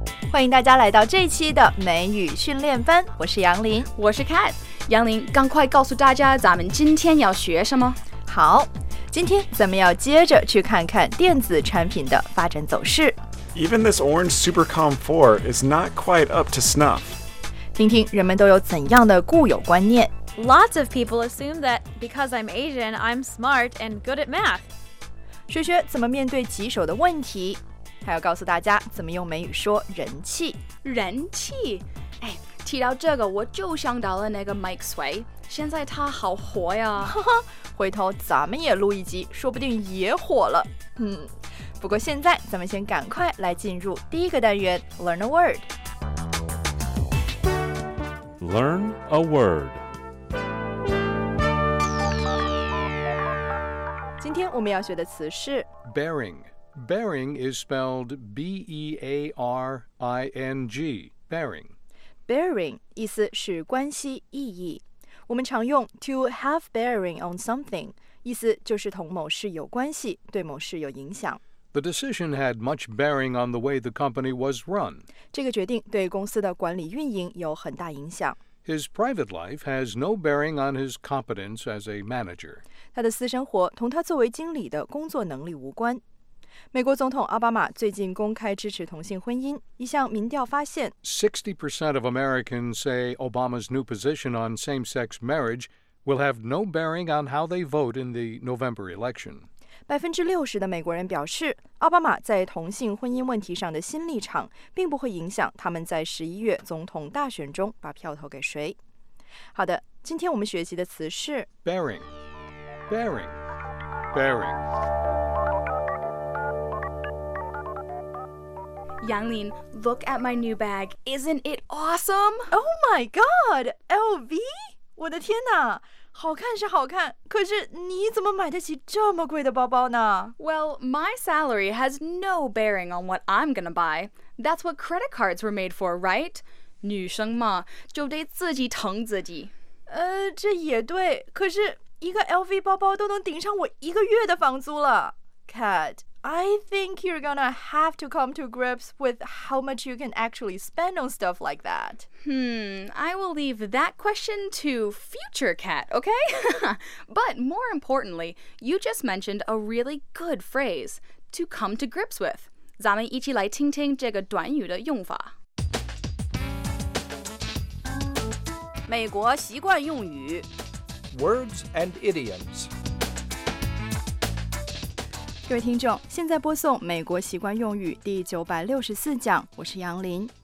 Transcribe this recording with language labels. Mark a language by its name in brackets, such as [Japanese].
[Chinese] 欢迎大家来到这一期的美语训练班，我是杨林，我是 Kat。杨林，赶快告诉大家咱们今天要学什么。好，今天咱们要接着去看看电子产品的发展走势。 [English] Even this orange Supercom 4 is not quite up to snuff. [Chinese] 听听人们都有怎样的固有观念。 [English] Lots of people assume that because I'm Asian, I'm smart and good at math. [Chinese] 学学怎么面对棘手的问题，还要告诉大家怎么用美语说人气。人气？哎，提到这个我就想到了那个 Mike Sway， 现在他好火呀。哈哈，回头咱们也录一集，说不定也火了。不过现在咱们先赶快来进入第一个单元 Learn a Word。 [English] Learn a Word。 [Chinese] 今天我们要学的词是 [English] Bearing。 Bearing is spelled B-E-A-R-I-N-G。 Bearing。 [Chinese] Bearing 意思是关系意义，我们常用 [English] to have bearing on something， [Chinese] 意思就是同某事有关系，对某事有影响。 [English] The decision had much bearing on the way the company was run. [Chinese] 这个决定对公司的管理运营有很大影响。 [English] His private life has no bearing on his competence as a manager. [Chinese] 他的私生活同他作为经理的工作能力无关。美国总统奥巴马最近公开支持同性婚姻，一项民调发现 [English] 60% of Americans say Obama's new position on same-sex marriage will have no bearing on how they vote in the November election. [Chinese] 60% 的美国人表示奥巴马在同性婚姻问题上的新立场并不会影响他们在11月总统大选中把票投给谁。好的，今天我们学习的词是 [English] bearing, bearing, bearing。 Yanglin, look at my new bag. Isn't it awesome? Oh my god! LV? [Chinese] 我的天哪，好看是好看，可是你怎么买得起这么贵的包包呢？ [English] Well, my salary has no bearing on what I'm gonna buy. That's what credit cards were made for, right? [Chinese] 女生嘛，就得自己疼自己。这也对，可是一个 LV 包包都能顶上我一个月的房租了。 [English] Kat,I think you're gonna have to come to grips with how much you can actually spend on stuff like that. I will leave that question to future Kat, okay? But more importantly, you just mentioned a really good phrase, to come to grips with. [Chinese] 咱们一起来听听这个短语的用法。美国习惯用语。 [English] Words and idioms. [Chinese] 各位听众，现在播送《美国习惯用语》第964讲，我是杨林，